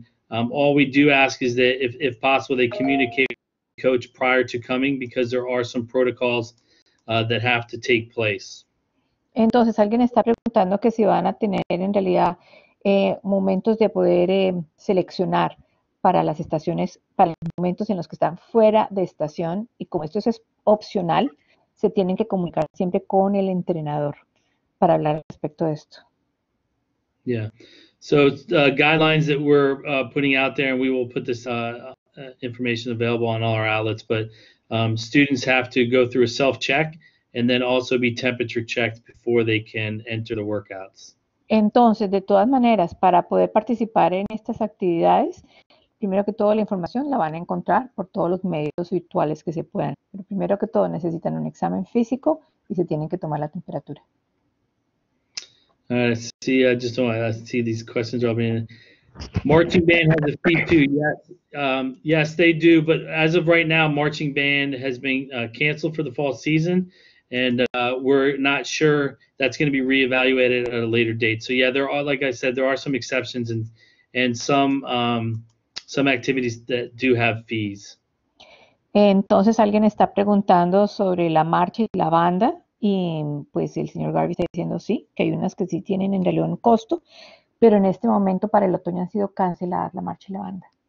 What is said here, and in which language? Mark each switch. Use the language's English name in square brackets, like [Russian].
[English] All we do ask is that if possible, they communicate with the coach prior to coming because there are some protocols that have to take place. [Spanish] Entonces, alguien está preguntando que si van a tener en realidad momentos de poder seleccionar para las estaciones, para los momentos en los que están fuera de estación, y como esto es opcional, se tienen que comunicar siempre con el entrenador para hablar respecto a esto. [English] Yeah, so guidelines that we're putting out there, and we will put this information available on all our outlets, but students have to go through a self-check and then also be temperature checked before they can enter the workouts. [Spanish] Entonces, de todas maneras, para poder participar en estas actividades, primero que todo, la información la van a encontrar por todos los medios virtuales que se puedan. Pero primero que todo, necesitan un examen físico y se tienen que tomar la temperatura. [English] I see these questions are being. Marching band has a fee too. Yes, they do. But as of right now, marching band has been canceled for the fall season, and we're not sure that's going to be reevaluated at a later date. So yeah, there are, like I said, there are some exceptions and some. Some activities that do have fees. [Spanish] Entonces alguien está preguntando sobre la marcha y la banda y pues el señor Garvey está diciendo sí, que hay unas que sí tienen en realidad un costo, pero en este momento para el otoño han sido canceladas la marcha y la banda.